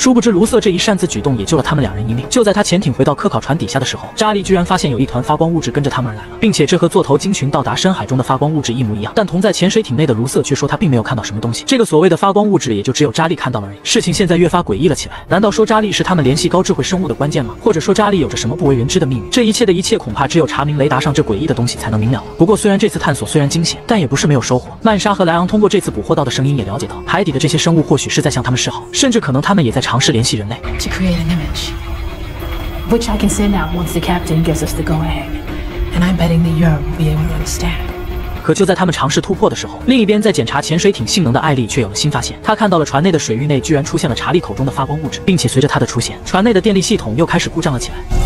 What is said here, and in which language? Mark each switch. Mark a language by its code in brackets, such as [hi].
[zh] 殊不知卢瑟这一擅自举动也救了他们两人一命。就在他潜艇回到科考船底下的时候，扎利居然发现有一团发光物质跟着他们而来了，并且这和座头鲸群到达深海中的发光物质一模一样，但同在潜水艇内的卢瑟却说他并没有看到什么东西，这个所谓的发光物质也就只有扎利看到了而已。事情现在越发诡异了起来，难道说扎利是他们联系高智慧生物的关键吗？或者说扎利有着什么不为人知的秘密？这一切的一切恐怕只有查明雷达上这诡异的东西才能明了了。不过虽然这次探索虽然惊险，但也不是没有收获。曼莎和莱昂通过这次捕获到的声音也了解到，海底的这些生物或许是在向他们示好，甚至可能他们也在尝试联系人类。 [en] To create an image which I can send out once the captain gives us the go ahead, and I'm betting that you'll be able to understand. [zh] 可就在他们尝试突破的时候，另一边在检查潜水艇性能的艾丽却有了新发现，她看到了船内的水域内居然出现了查理口中的发光物质，并且随着他的出现，船内的电力系统又开始故障了起来。